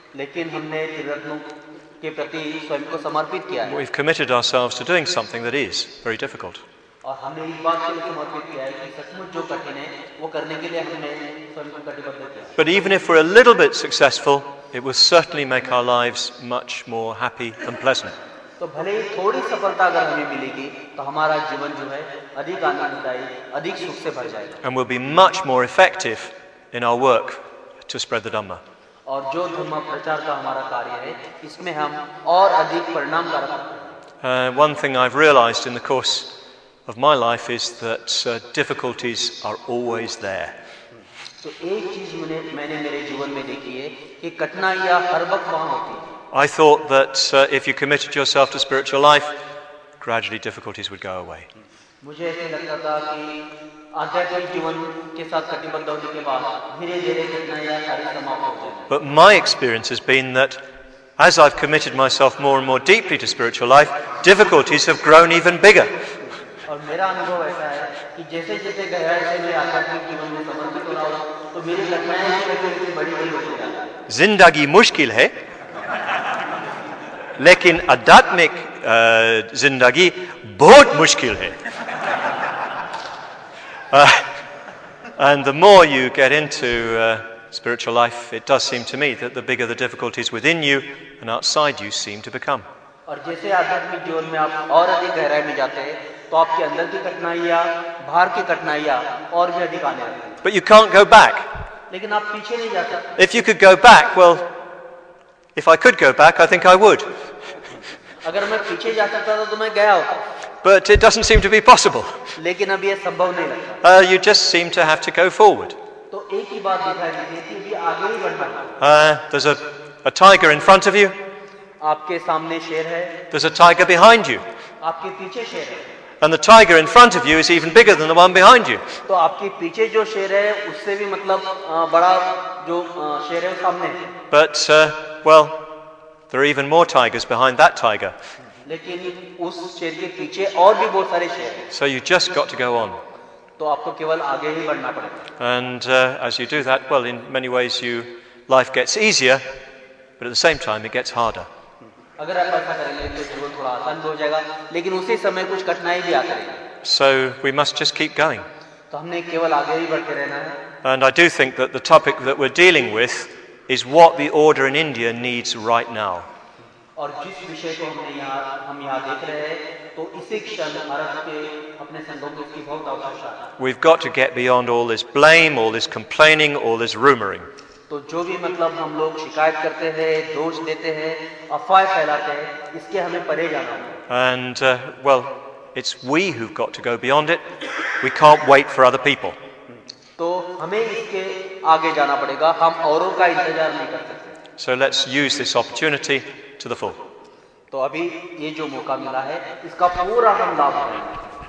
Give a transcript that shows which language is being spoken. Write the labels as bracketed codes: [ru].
[en] We've committed ourselves to doing something that is very difficult. But even if we're a little bit successful, it will certainly make our lives much more happy and pleasant. [hi] तो भले ही थोड़ी सफलता अगर हमें मिलेगी तो हमारा जीवन जो है अधिक आनंददायी अधिक सुख से भर जाएगा. [en] And we'll be much more effective in our work to spread the Dhamma. [hi] और जो धर्म प्रचार का हमारा कार्य है इसमें हम और अधिक परिणाम कर सकते हैं. [en] One thing I've realized in the course of my life is that difficulties are always there. [hi] तो एक चीज मैंने मेरे जीवन में देखी है कि कठिनाइयां हर वक्त वहां होती हैं। [en] I thought that if you committed yourself to spiritual life, gradually difficulties would go away. [hi] मुझे ऐसे लगता था कि आध्यात्मिक जीवन के साथ कटिबद्ध होने के बाद धीरे-धीरे कठिनाइयां सारी समाप्त होती हैं। [en] But my experience has been that as I've committed myself more and more deeply to spiritual life, difficulties have grown even bigger. [hi] और मेरा अनुभव ऐसा है कि जैसे-जैसे गहराई से मैं आध्यात्मिक जीवन में समर्पित हो रहा हूं, तो मेरी कठिनाइयां बड़ी-बड़ी होती जा रही हैं। जिंदगी मुश्किल है, लेकिन आध्यात्मिक जिंदगी बहुत मुश्किल है। [en] And the more you get into spiritual life, it does seem to me that the bigger the difficulties within you and outside you seem to become. [hi] और जैसे आध्यात्मिक जीवन में आप और अधिक गहराई में जाते हैं, तो आपके अंदर की कठिनाइयां, बाहर की कठिनाइयां और भी अधिक आने लगती हैं। [en] But you can't go back. [hi] लेकिन आप पीछे नहीं जा सकते। [en] If you could go back, well, if I could go back, I think I would. [hi] अगर मैं पीछे जा सकता था, तो मैं गया होता। [en] But it doesn't seem to be possible. [hi] लेकिन अभी ये संभव नहीं लगता। [en] You just seem to have to go forward. [hi] तो एक ही बात दिखाई दे रही थी कि आगे ही बढ़ना। [en] There's a tiger in front of you. [hi] आपके सामने शेर है। [en] There's a tiger behind you. [hi] आपके पीछे शेर है। [en] And the tiger in front of you is even bigger than the one behind you. [hi] तो आपके पीछे जो शेर है, उससे भी मतलब बड़ा जो शेर है सामने। [en] But well, there are even more tigers behind that tiger. [hi] लेकिन उस शेर के पीछे और भी बहुत सारे शेर हैं। [en] So you just got to go on. [hi] तो आपको केवल आगे ही बढ़ना पड़ेगा। [en] And as you do that, well, in many ways, life gets easier, but at the same time, it gets harder. [hi] अगर आप ऐसा करेंगे, तो जीवन थोड़ा आसान हो जाएगा, लेकिन उसी समय कुछ कठिनाई भी आती रहेगी। [en] So we must just keep going. [hi] तो हमने केवल आगे ही बढ़ते रहना है। [en] And I do think that the topic that we're dealing with is what the order in India needs right now. [hi] और जिस विषय को हम यहाँ देख रहे हैं, तो इसी क्षण भारत के अपने संदोष की बहुत आवश्यकता है। [en] We've got to get beyond all this blame, all this complaining, all this rumouring. [hi] तो जो भी मतलब हम लोग शिकायत करते हैं, दोष देते हैं, अफवाह फैलाते हैं, इसके हमें परे जाना है। [en] And well, it's we who've got to go beyond it. We can't wait for other people. [hi] तो हमें इसके आगे जाना पड़ेगा, हम औरों का इंतजार नहीं कर सकते। [en] So let's use this opportunity to the full. [hi] तो अभी ये जो मौका मिला है, इसका पूरा हम लाभ उठाएं।